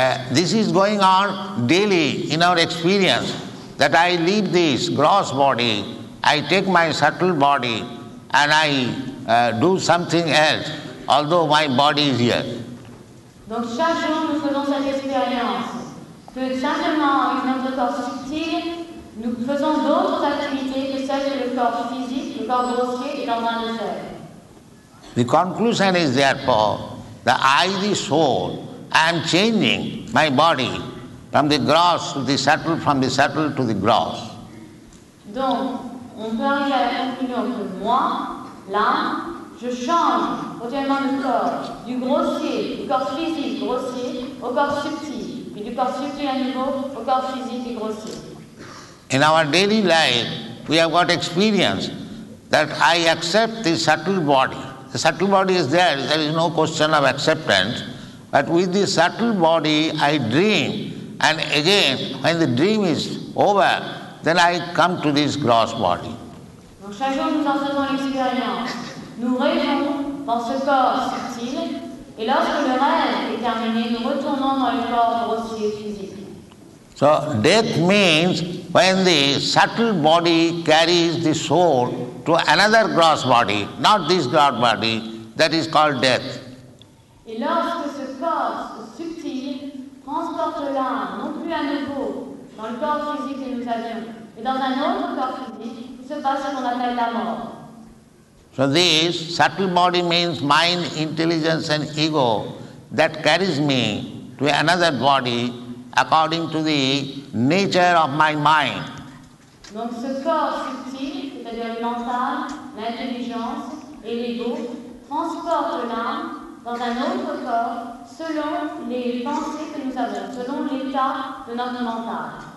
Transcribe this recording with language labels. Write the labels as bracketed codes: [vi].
[en] This is going on daily in our experience, that I leave this gross body, I take my subtle body and I do something else, although my body is here. [fr] Donc chaque jour nous faisons cette expérience que simplement avec notre corps subtil, nous faisons d'autres activités que celles du corps physique, le corps grossier et l'organe de faire. [en] The conclusion is therefore that I, the soul, I am changing my body from the gross to the subtle, from the subtle to the gross. [fr] Donc, on peut arriver à la conclusion que moi, l'âme, je change continuellement le corps, du grossier, du corps physique grossier, au corps subtil, et du corps subtil à nouveau, au corps physique et grossier. [en] In our daily life, we have got experience that I accept the subtle body. The subtle body is there, there is no question of acceptance, but with the subtle body, I dream, and again, when the dream is over, then I come to this gross body. [fr] Donc chaque jour nous en faisons l'expérience. Nous rêvons dans ce corps subtil, et lorsque le rêve est terminé, nous retournons dans le corps grossier physique. [en] So death means when the subtle body carries the soul to another gross body, not this gross body, that is called death. [fr] Et lorsque ce corps subtil transporte l'âme non plus à nouveau dans le corps physique que nous avions, et dans un autre corps physique, se passe ce qu'on appelle la mort. [en] So this subtle body means mind, intelligence and ego that carries me to another body according to the nature of my mind. [fr] Donc ce corps subtil, c'est-à-dire le mental, l'intelligence et l'ego, transporte l'âme dans un autre corps selon les pensées que nous avons, selon l'état de notre mental.